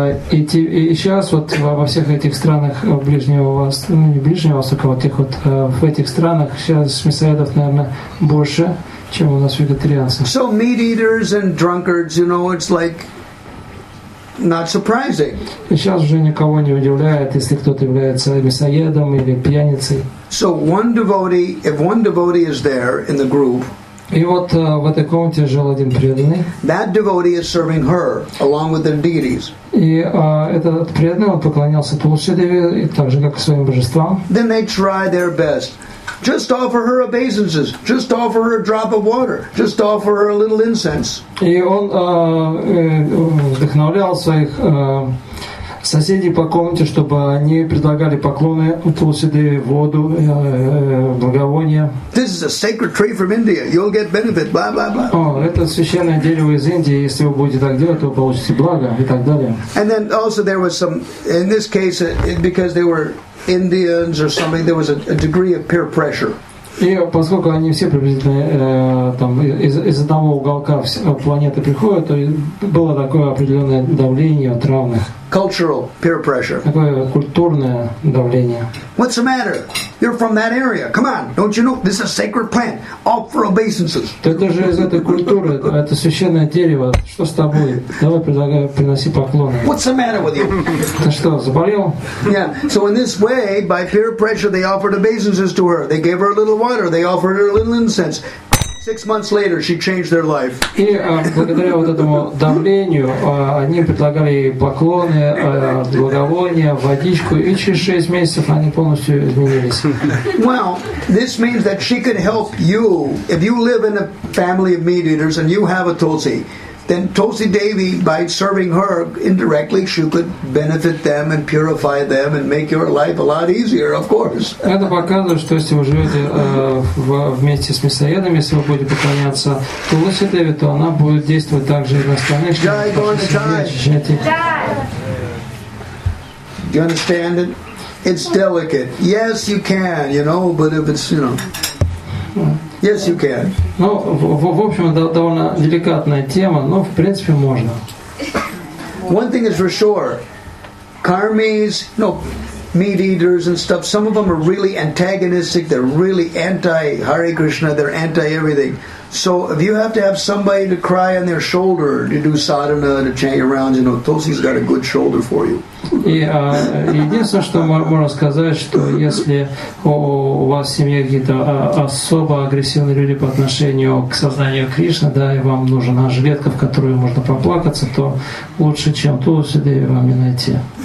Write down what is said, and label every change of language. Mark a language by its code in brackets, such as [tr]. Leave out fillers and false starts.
[ru] И сейчас вот во всех этих странах Ближнего Востока, вот этих вот в этих странах сейчас мясоедов, наверное, больше, чем у нас вегетарианцев. [en] So meat eaters and drunkards, you know, it's like not surprising. [ru] Сейчас уже никого не удивляет, если кто-то является мясоедом или пьяницей. [en] So one devotee, if one devotee is there in the group, [ru] и вот в этой комнате жил один преданный. [en] That devotee is serving her along with the deities. [ru] И этот преданный, он поклонялся Тулси-деве так же, как и своим божествам. [en] Then they try their best. Just offer her obeisances. Just offer her a drop of water. Just offer her a little incense. [ru] И он вдохновлял своих соседей по комнате, чтобы они предлагали поклоны Тулси-деве, воду, благовония. [en] This is a sacred tree from India. You'll get benefit. Blah blah blah. [ru] О, это священное дерево из Индии. Если вы будете так делать, то вы получите благо и так далее. [en] And then also there was some. In this case, because they were Indians or something, there was a degree of peer pressure. [ru] И поскольку они все приблизительно там из одного уголка планеты приходят, то было такое определенное давление от равных. [en] Cultural peer pressure. [ru] Такое культурное давление. [en] What's the matter? You're from that area. Come on, don't you know this is a sacred plant? Offer obeisances. [ru] Это же из этой культуры, это священное дерево. Что с тобой? Давай предлагай, приноси поклоны. [en] What's the matter with you? [ru] Ты что, заболел? [en] Yeah. So in this way, by peer pressure, they offered obeisances to her. They gave her a little water. They offered her a little incense. 6 months later, she changed their life. [ru] И благодаря вот этому давлению, они предлагали ей поклоны, благовония, водичку, и через 6 месяцев они полностью изменились. [en] Well, this means that she could help you. If you live in a family of meat eaters and you have a Tulsi, then Tulsi Devi, by serving her indirectly, she could benefit them and purify them and make your life a lot easier, of course. [ru] Это показывает, что если вы живете вместе с мясоедами, если вы будете поклоняться Тулси Деви, то она будет действовать также и на остальных. Jai Gonatai. Jai. [en] Do you understand it? It's delicate. Yes, you can, you know, but if it's, you know... Yes, you can. [ru] Ну, в общем, это довольно деликатная тема, но в принципе можно. [en] One thing is for sure. Karmis, no, meat eaters and stuff, some of them are really antagonistic, they're really anti-Hare Krishna, they're anti-everything. So if you have to have somebody to cry on their shoulder to do sadhana, to change around, you know, Tulsi's got a good shoulder for you. [ru] И единственное, что можно сказать, что если у вас в семье какие-то особо агрессивные люди по отношению к сознанию Кришны, да, и вам нужна жилетка, в которую можно поплакаться, то лучше, чем Тулси Деви, вам не найти.